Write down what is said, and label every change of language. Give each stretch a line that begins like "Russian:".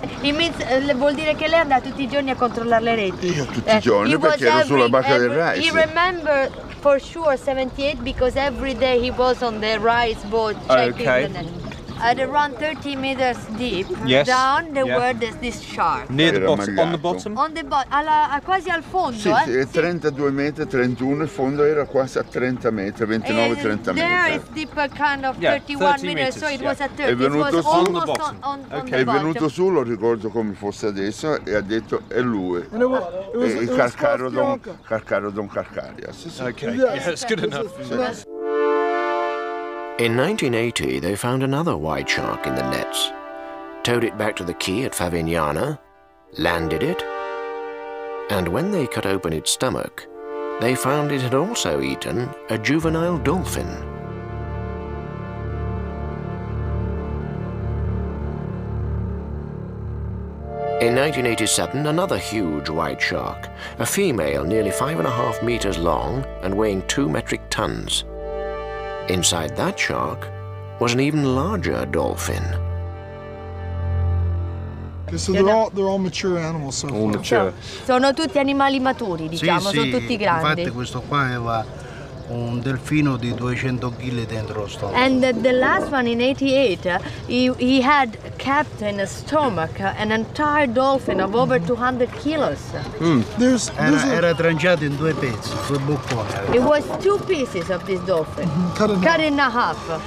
English: It means,
Italian: vuol dire che lei andava tutti I giorni a controllare le reti. Io tutti I giorni perché ero sulla barca del rice.
English: He remembered for sure 78 because every day he was on the rice boat checking the nets. at around 30 meters deep, yes, down there, yes, were this shark. Near the bottom, on the bottom? On the bottom,
Italian: quasi al fondo. Sì, sì, 32 meters, 31, il fondo era quasi a 30 meters, 29, 30 meters.
English: There is deep kind of 31 meters, so it was at 30.
Italian: È venuto su,
English: on the bottom. On the bottom.
Italian: È venuto su, lo ricordo come fosse adesso, e ha detto, è lui. Il Carcarodon Carcaria. Sì, sì.
English: Okay, yeah, it's good enough. In 1980, they found another white shark in the nets, towed it back to the quay at Favignana, landed it, and when they cut open its stomach, they found it had also eaten a juvenile dolphin. In 1987, another huge white shark, a female nearly 5.5 meters long and weighing 2 metric tons. Inside that shark was an even larger dolphin. Okay, so they're all mature animals so far. All mature.
Italian: Sono tutti animali maturi, diciamo, sì, sono tutti grandi. Infatti questo qua aveva un delfino di 200 kg dentro lo stomaco.
English: And the last one in 88, he had kept in his stomach an entire dolphin of over 200 kilos.
Italian: Era tranciato in due pezzi, due bocconi.
English: It was 2 pieces of this dolphin, cut in half.